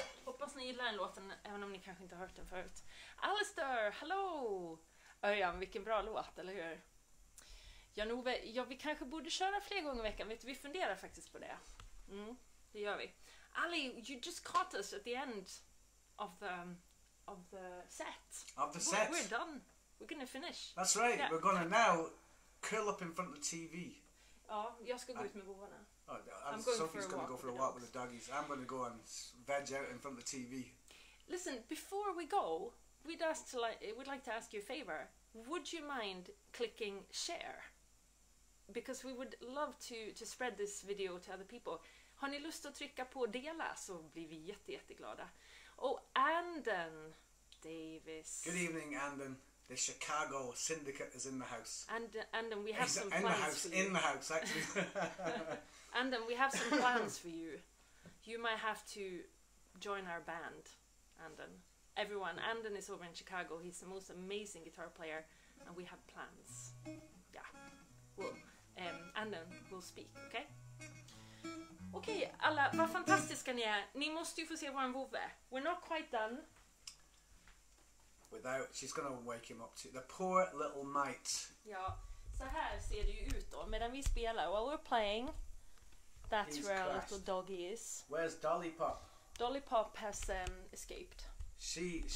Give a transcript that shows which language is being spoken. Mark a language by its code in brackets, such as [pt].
[sv] Hoppas ni gillar den låten, även om ni kanske inte har hört den förut. Alistair, hello! Örjan, vilken bra låt, eller hur? Janove, ja, vi kanske borde köra fler gånger i veckan. Vet du, vi funderar faktiskt på det. Mm, det gör vi. [en] Ali, you just caught us at the end of the set. Of the set. We're done. We're gonna finish. That's right. Yeah. We're gonna now curl up in front of the TV. [sv] Ja, jag ska gå ut med vovarna. [en] Sophie's gonna go for a walk with the doggies. I'm gonna go and veg out in front of the TV. Listen, before we go, we'd like to ask you a favor. Would you mind clicking share? Because we would love to spread this video to other people. [sv] Har ni lust att trycka på dela så blir vi jätteglada. Och Anden Davis. [en] Good evening, Anden. The Chicago Syndicate is in the house. Anden, we have some plans for you. In the house, actually. Anden, we have some plans for you. You might have to join our band, Anden. Everyone, Anden is over in Chicago. He's the most amazing guitar player, and we have plans. Yeah. Well, Anden will speak, okay? [sv] Okej, alla, vad fantastiska ni är. Ni måste ju få se våran vovve. [en] We're not quite done. Without, she's gonna wake him up too. The poor little mite. [sv] Ja, så här ser det ju ut då. Medan vi spelar, [en] while we're playing, that's he's where crashed. Our little doggy is. Where's Dolly Pop? Dolly Pop has escaped. She